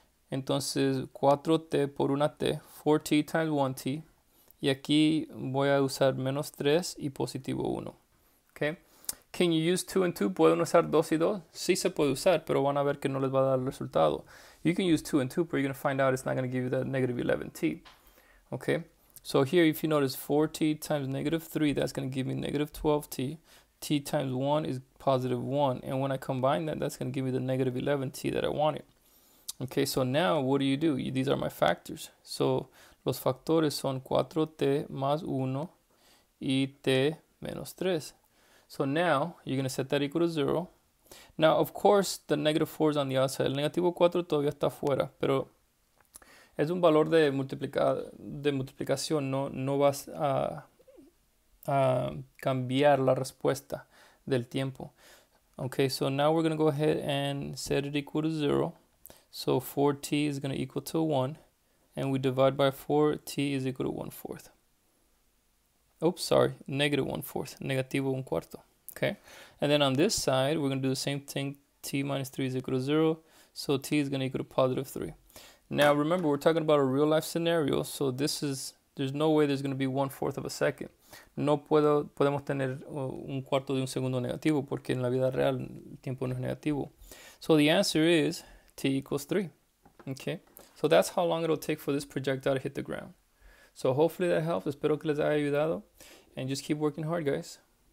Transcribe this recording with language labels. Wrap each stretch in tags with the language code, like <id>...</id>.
<es>Entonces, 4t por una t,</es> <en>4t times 1t,</en> <es>y aquí voy a usar menos 3 y positivo 1.</es> <en>Okay? Can you use 2 and 2?</en> <es>¿Pueden usar 2 y 2? Sí se puede usar, pero van a ver que no les va a dar el resultado.</es> <en>You can use 2 and 2, but you're going to find out it's not going to give you that negative 11t. Okay? So here, if you notice, 4t times negative 3, that's going to give me negative 12t. T times 1 is positive 1. And when I combine that, that's going to give me the negative 11t that I wanted. Okay, so now what do you do? These are my factors.</en> <es>So los factores son 4t más 1 y t menos 3.</es> <en>So now, you're going to set that equal to 0. Now, of course, the negative 4 is on the outside.</en> <es>El negativo 4 todavía está fuera, pero es un valor de multiplicación. No vas a cambiar la respuesta del tiempo.</es> <en>Okay, so now we're going to go ahead and set it equal to 0. So 4t is going to equal to 1. And we divide by 4, t is equal to 1/4. Oops, sorry, -1/4, -1/4, okay? And then on this side, we're going to do the same thing, t minus 3 is equal to 0, so t is going to equal to positive 3. Now, remember, we're talking about a real-life scenario, so there's no way there's going to be 1/4 of a second.</en> <es>No podemos tener un cuarto de un segundo negativo, porque en la vida real el tiempo no es negativo.</es> <en>So the answer is t equals 3, okay? So that's how long it'll take for this projectile to hit the ground. So hopefully that helps.</en> <es>Espero que les haya ayudado.</es> <en>And just keep working hard, guys.</en>